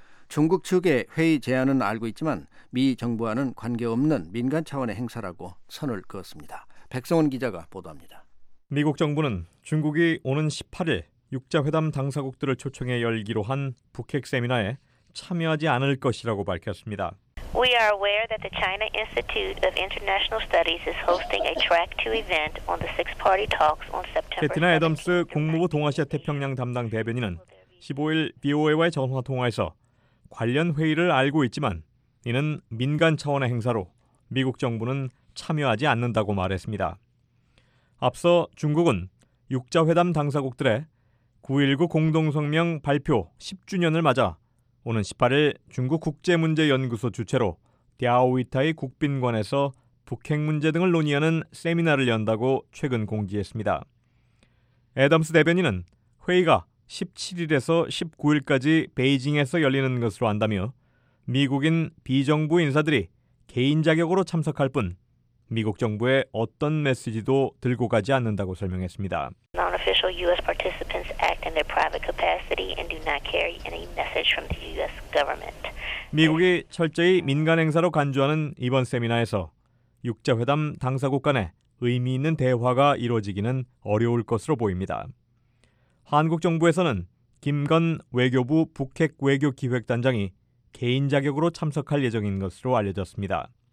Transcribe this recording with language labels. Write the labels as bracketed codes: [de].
[ko] 중국 측의 회의 제안은 알고 있지만 미 정부와는 관계없는 민간 차원의 행사라고 선을 그었습니다. 백성원 기자가 보도합니다. 미국 정부는 중국이 오는 18일 6자회담 당사국들을 초청해 열기로 한 북핵 세미나에 참여하지 않을 것이라고 밝혔습니다. [en] We are aware that the China Institute of International Studies is hosting a track to event on the six-party talks on September [ko] 캐티나 애덤스 국무부 동아시아 태평양 담당 대변인은 15일 BOA와의 전화 통화에서 관련 회의를 알고 있지만 이는 민간 차원의 행사로 미국 정부는 참여하지 않는다고 말했습니다. 앞서 중국은 6자회담 당사국들의 9.19 공동성명 발표 10주년을 맞아 오는 18일 중국 국제문제연구소 주최로 디아오이타이 국빈관에서 북핵 문제 등을 논의하는 세미나를 연다고 최근 공지했습니다. 애덤스 대변인은 회의가 17일에서 19일까지 베이징에서 열리는 것으로 안다며 미국인 비정부 인사들이 개인 자격으로 참석할 뿐 미국 정부의 어떤 메시지도 들고 가지 않는다고 설명했습니다. [en] Non-official U.S. participants act in their private capacity and do not carry any message from the U.S. government. [ko] 미국이 철저히 민간 행사로 간주하는 이번 세미나에서 6자회담 당사국 간의 의미 있는 대화가 이루어지기는 어려울 것으로 보입니다. 한국 정부에서는 김건 외교부 북핵 외교기획단장이 개인 자격으로 참석할 예정인 것으로 알려졌습니다.